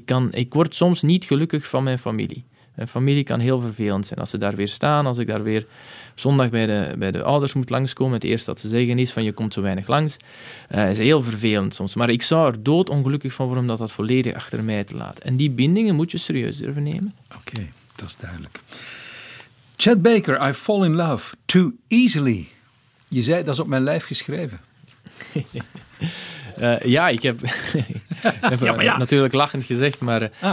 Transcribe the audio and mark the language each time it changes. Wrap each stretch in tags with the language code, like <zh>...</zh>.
<nl>Ik word soms niet gelukkig van mijn familie. Mijn familie kan heel vervelend zijn. Als ze daar weer staan, als ik daar weer zondag bij de ouders moet langskomen, het eerste dat ze zeggen is van je komt zo weinig langs, is heel vervelend soms. Maar ik zou er doodongelukkig van worden om dat volledig achter mij te laten. En die bindingen moet je serieus durven nemen. Oké, dat is duidelijk.</nl> <en>Chet Baker, I fall in love too easily.</en> <nl>Je zei, dat is op mijn lijf geschreven. Ik heb natuurlijk lachend gezegd, maar...</nl>